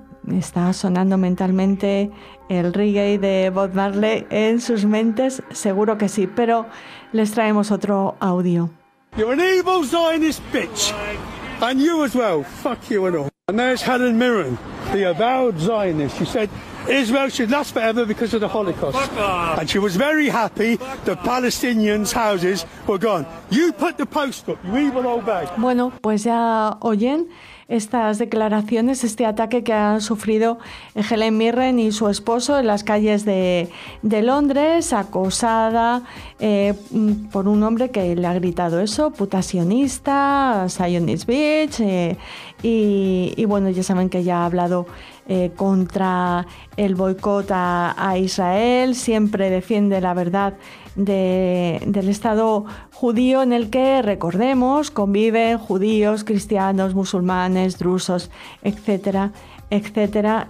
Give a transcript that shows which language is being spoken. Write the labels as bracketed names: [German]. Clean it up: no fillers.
[Spanish] está sonando mentalmente el reggae de Bob Marley en sus mentes, seguro que sí, pero les traemos otro audio. [English] You're an evil Zionist bitch, and you as well, fuck you and all. And there's Helen Mirren, the avowed Zionist. She said Israel should last forever because of the Holocaust. Fuck off. And she was very happy the Palestinians' houses were gone. You put the post up, you evil old bag. [Spanish] Bueno, pues ya oyen estas declaraciones, este ataque que han sufrido Helen Mirren y su esposo en las calles de Londres, acosada por un hombre que le ha gritado eso, puta sionista, [English] Zionist bitch, [Spanish] y bueno, ya saben que ya ha hablado contra el boicot a Israel, siempre defiende la verdad del Estado judío, en el que, recordemos, conviven judíos, cristianos, musulmanes, drusos, etcétera, etcétera.